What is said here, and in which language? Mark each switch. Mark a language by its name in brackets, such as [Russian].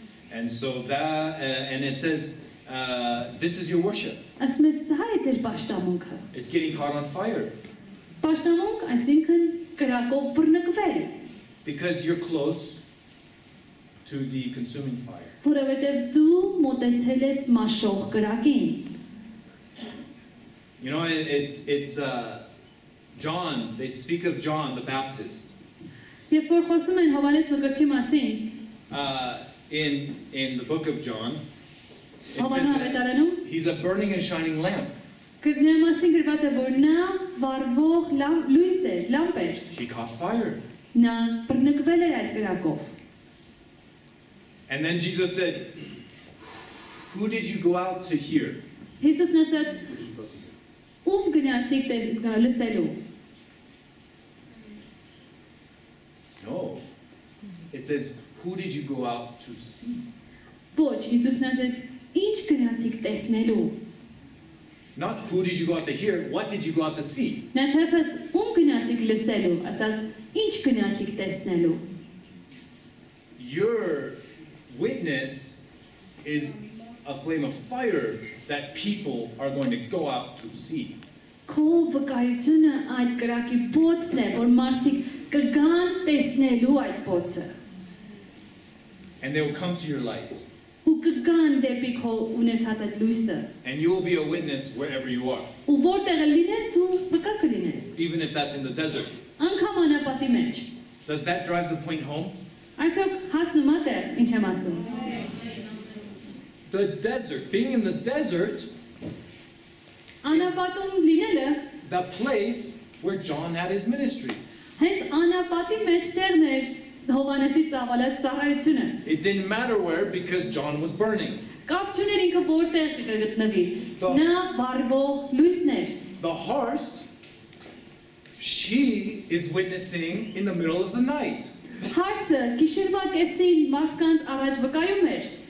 [English] And so that and it says this is your worship. [Armenian] Ասում է սա է ձեր պաշտամունքը. [English] It's getting caught on fire. [Armenian] Պաշտամունք, այսինքն կրակով բռնկվել. [English] Because you're close to the consuming fire. [Armenian] Որովհետև դու մոտեցել ես մաշող կրակին. [English] You know it's John, they speak of John the Baptist. [Armenian] Երբ որ խոսում են Հովհաննես մկրտչի մասին, [English] in the book of John, [Armenian] Հովհաննես [English] He's a burning and shining lamp. [Armenian] Գտնում ասին գրված է որ նա վառվող լույս է, լամպ է. [English] He caught fire. [Armenian] Նա բռնկվել էր այդ կրակով. [English] And then Jesus said, Who did you go out to hear? Jesus said, [Armenian] Ում գնացիք դեր լսելու? [English] No. It says, Who did you go out to see? [Armenian] Ոչ, [English] Jesus said, [Armenian] Ինչ գնացիք տեսնելու? [English] Not who did you go out to hear, what did you go out to see? [Armenian] Նաթասաց ում գնացիք լսելու, ասաց ինչ գնացիք տեսնելու? [English] Your witness is a flame of fire that people are going to go out to see. [Armenian] Քո վկայությունը այդ կրակի փոցն է, որ մարդիկ կգան տեսնելու այդ փոցը. [English] And they will come to your light. [Armenian] Ու կգան դեպի քո ունեցած այդ լույսը։ [English] And you will be a witness wherever you are. [Armenian] Ու որտեղ լինես, դու մկա կլինես։ [English] Even if that's in the desert. [Armenian] Անկամ անապատի մեջ։ [English] Does that drive the point home? [Armenian] Այսօք հասնում եք, ինչ եմ ասում։ [English] The desert, being in the desert. [Armenian] Անապատում լինելը։ [English] The place where John had his ministry. [Armenian] Հենց անապատի մեջտեղն էր Հովհաննեսի ծավալած ծառայությունը։ [English] It didn't matter where because John was burning. [Armenian] Կապ չուներ ինքը որտեղ գտնվի։ Նա վառվող լույսն էր։ [English] The horse she is witnessing in the middle of the night. [Armenian] Հարսը գիշերվա կեսին մարդկանց առաջ վկայում էր։